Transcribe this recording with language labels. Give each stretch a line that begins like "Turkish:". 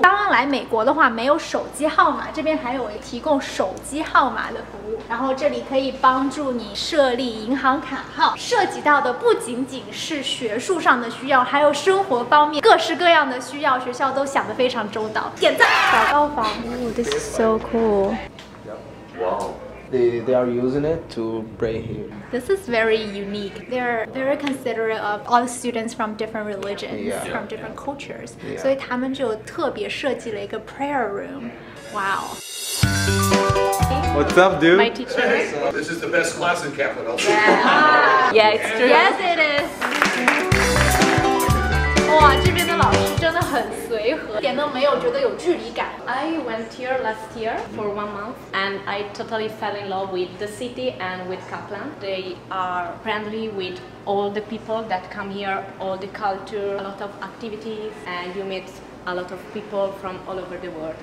Chinese: 刚刚来美国的话没有手机号码，这边还有提供手机号码的服务，然后这里可以帮助你设立银行卡号。涉及到的不仅仅是学术上的需要，还有生活方面各式各样的需要，学校都想得非常周到。点赞。小高房。
English: Ooh, This is so cool. Wow. They are using it to pray here. This is very unique. They're very considerate of all students from different religions, yeah. from different yeah. cultures. So they have specially designed a prayer room. Wow. What's up, dude? My teacher. This is the best class in Capital. Yeah. Yeah, it's true. Yes, it is. Wow, this side's
Chinese: 老师真的很随和，一点都没有觉得有距离感。
English: I went here last year for 1 month and I totally fell in love with the city and with Kaplan. They are friendly with all the people that come here, all the culture, a lot of activities, and you meet a lot of people from all over the world.